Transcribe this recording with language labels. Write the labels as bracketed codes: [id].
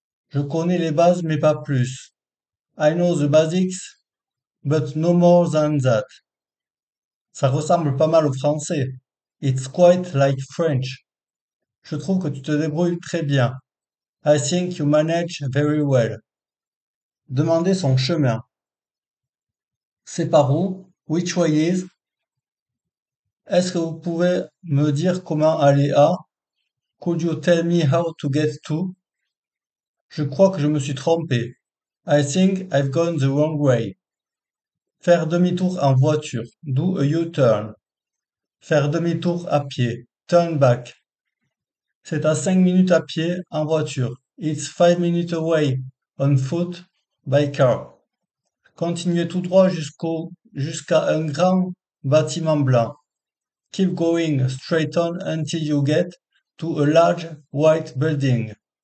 [fr] Je connais les bases, mais pas plus. [en] I know the basics, but no more than that. [fr] Ça ressemble pas mal au français. [en] It's quite like French. [fr] Je trouve que tu te débrouilles très bien. [en] I think you manage very well. [fr] Demandez son chemin. C'est par où? [en] Which way is? [fr] Est-ce que vous pouvez me dire comment aller à? [en] Could you tell me how to get to? [fr] Je crois que je me suis trompé. [en] I think I've gone the wrong way. [fr] Faire demi-tour en voiture. [en] Do a U-turn. [fr] Faire demi-tour à pied. [en] Turn back. [fr] C'est à 5 minutes à pied en voiture. [en] It's 5 minutes away on foot by car. [fr] Continuez tout droit jusqu'à un grand bâtiment blanc. [en] Keep going straight on until you get to a large white building.